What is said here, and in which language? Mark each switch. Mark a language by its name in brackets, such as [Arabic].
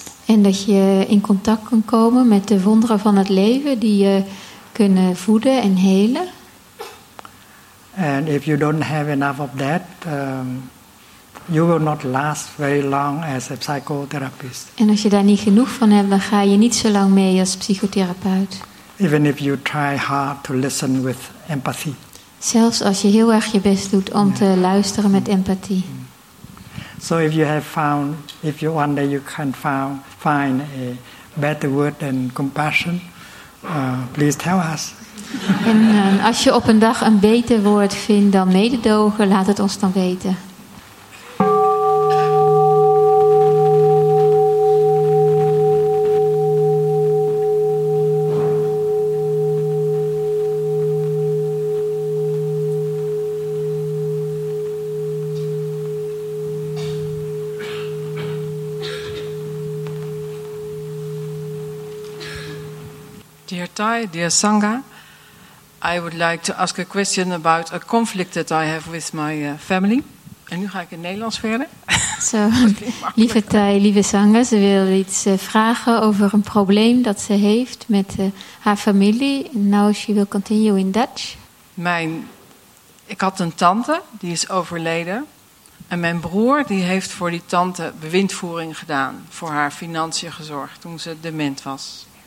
[Dutch] En dat je in contact kan komen met de wonderen van het leven die je kunnen voeden en helen. [English] And if you don't have enough of that, you will not last very long as a psychotherapist. [Dutch] En als je daar niet genoeg van hebt, dan ga je niet zo lang mee als psychotherapeut. [English] Even if you try hard to listen with empathy. [Dutch] Zelfs als je heel erg je best doet om te luisteren met empathie. [English] So if you one day you can find a better word than compassion, please tell us. [Dutch] En als je op een dag een beter woord vindt dan mededogen, laat het ons dan weten. [English] Dear Thay, dear Sangha, I would like to ask a question about a conflict that I have with my family. [Dutch] En nu ga ik in Nederlands verder. So, lieve Thay, lieve Sangha, ze wil iets vragen over een probleem dat ze heeft met haar familie. [English] Now she will continue in Dutch. [Dutch] Ik had een tante, die is overleden. En mijn broer, die heeft voor die tante bewindvoering gedaan, voor haar financiën gezorgd toen ze dement was.